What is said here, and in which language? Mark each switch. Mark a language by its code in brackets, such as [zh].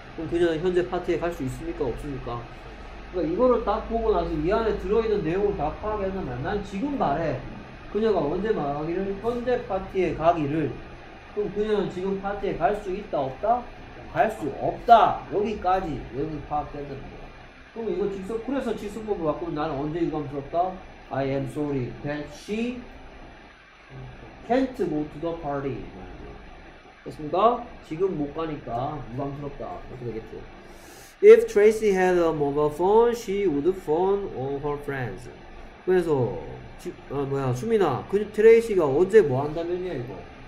[ko] 그럼 그녀는 현재 파티에 갈 수 있습니까? 없습니까? 그러니까 이거를 딱 보고 나서 이 안에 들어있는 내용을 다 파악했는 말이야. 난 지금 말해. 그녀가 언제 말하기를 현재 파티에 가기를. 그럼 그녀는 지금 파티에 갈 수 있다 없다? 갈 수 없다. 여기까지 내용이 파악됐는 거야. 그럼 이거 직속, 그래서 직속법을 바꾸면 나는 언제 유감스럽다? [en] I am sorry that she can't go to the party. [ko] 됐습니까? 지금 못 가니까 유감스럽다. 그렇게 되겠죠. [en] If Tracy had a mobile phone, she would phone all her friends. [ko] 그래서 수민아, 그 트레이시가 언제 뭐 한다면이야 이거?